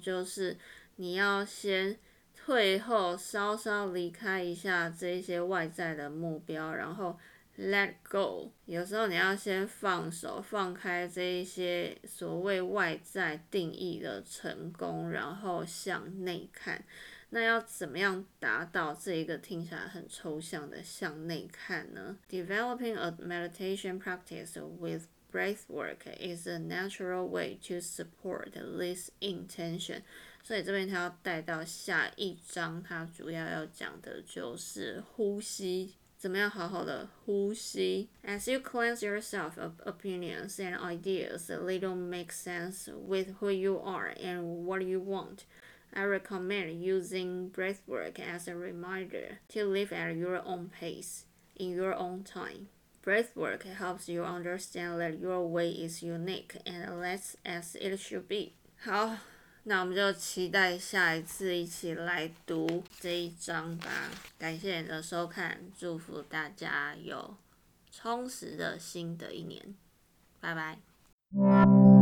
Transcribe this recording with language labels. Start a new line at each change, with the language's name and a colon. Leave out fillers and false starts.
Chinese: 就是你要先退后，稍稍离开一下这些外在的目标，然后 let go。有时候你要先放手，放开这些所谓外在定义的成功，然后向内看。那要怎么样达到这一个听起来很抽象的向内看呢？
English: Developing a meditation practice with breathwork is a natural way to support this intention。
Chinese: 所以这边他要带到下一章，他主要要讲的就是呼吸，怎么样好好的呼吸。
English: As you cleanse yourself of opinions and ideas that don't make sense with who you are and what you wantI recommend using breathwork as a reminder to live at your own pace, in your own time. Breathwork helps you understand that your way is unique and less as it should be.
Chinese: 好，那我们就期待下一次一起来读这一章吧。感谢你的收看，祝福大家有充实的新的一年。拜拜。